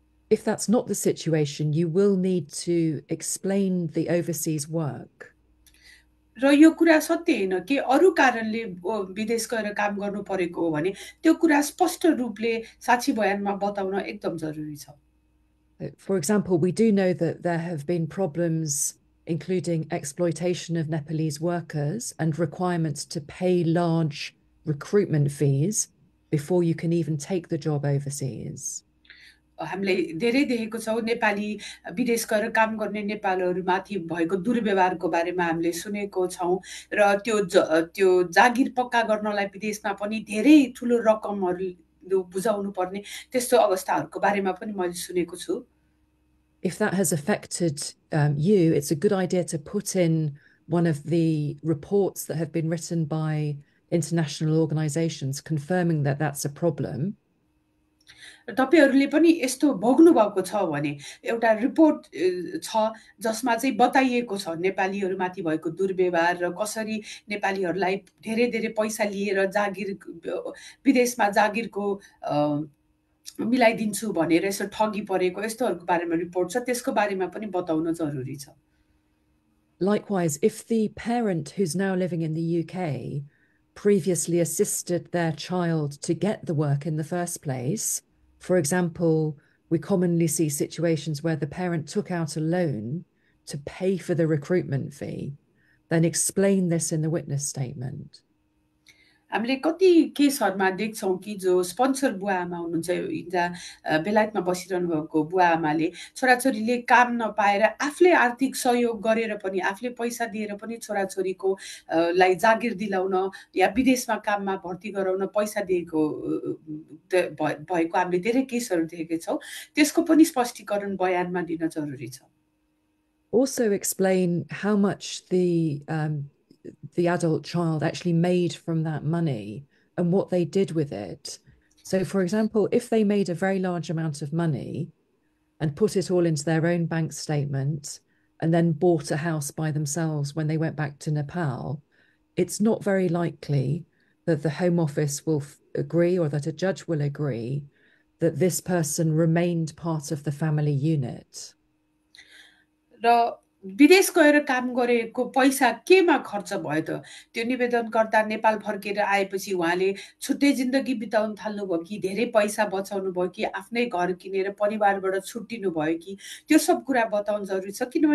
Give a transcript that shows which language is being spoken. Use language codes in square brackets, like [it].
[en] If that's not the situation, you will need to explain the overseas work. [ne] र यो कुरा सत्य होइन कि अरू कारणले विदेश गएर काम गर्नु परेको हो भने, त्यो कुरा स्पष्ट रूपले साक्षी बयानमा बताउन एकदम जरुरी छ। [en] For example, we do know that there have been problems, including exploitation of Nepalese workers and requirements to pay large recruitment fees before you can even take the job overseas. [ne] हामीले धेरै देखेको छौँ, नेपाली विदेश गएर काम गर्ने नेपालहरूमाथि भएको दुर्व्यवहारको बारेमा हामीले सुनेको छौँ, र त्यो जागिर पक्का गर्नलाई विदेशमा पनि धेरै ठुलो रकमहरू बुझाउनु पर्ने त्यस्तो अवस्थाहरूको बारेमा पनि मैले सुनेको छु। [en] If that has affected you, it's a good idea to put in one of the reports that have been written by international organizations confirming that that's a problem. [ne] तपाईँहरूले पनि यस्तो भोग्नु भएको छ भने एउटा रिपोर्ट छ जसमा चाहिँ बताइएको छ नेपालीहरूमाथि भएको दुर्व्यवहार र कसरी नेपालीहरूलाई धेरै धेरै पैसा लिएर जागिर विदेशमा जागिरको मिलाइदिन्छु भनेर यसो ठगी परेको, यस्तोहरूको बारेमा रिपोर्ट छ, त्यसको बारेमा पनि बताउन जरुरी छ। [en] Likewise, if the parent who's now living in the UK previously assisted their child to get the work in the first place, for example, we commonly see situations where the parent took out a loan to pay for the recruitment fee, then explain this in the witness statement. [ne] हामीले कति केसहरूमा देख्छौँ कि जो sponsor बुवा आमा हुनुहुन्छ, यो India बेलायतमा बसिरहनु भएको बुवा आमाले छोराछोरीले काम नपाएर आफूले आर्थिक सहयोग गरेर पनि, आफूले पैसा दिएर पनि छोराछोरीको लाई जागिर दिलाउन या विदेशमा काममा भर्ती गराउन पैसा दिएको भएको हामीले धेरै केसहरू देखेका छौँ। त्यसको पनि स्पष्टीकरण बयानमा दिन जरुरी छ। [en] Also explain how much the adult child actually made from that money and what they did with it. So, for example, if they made a very large amount of money and put it all into their own bank statement and then bought a house by themselves when they went back to Nepal, it's not very likely that the Home Office will agree or that a judge will agree that this person remained part of the family unit. [ne] र विदेश गएर काम गरेको पैसा केमा खर्च भयो त, त्यो निवेदनकर्ता नेपाल फर्केर आएपछि उहाँले छुट्टै जिन्दगी बिताउन थाल्नुभयो कि धेरै पैसा बचाउनु भयो कि आफ्नै घर किनेर परिवारबाट छुट्टिनु भयो कि, त्यो सब कुरा बताउनु जरुरी छ।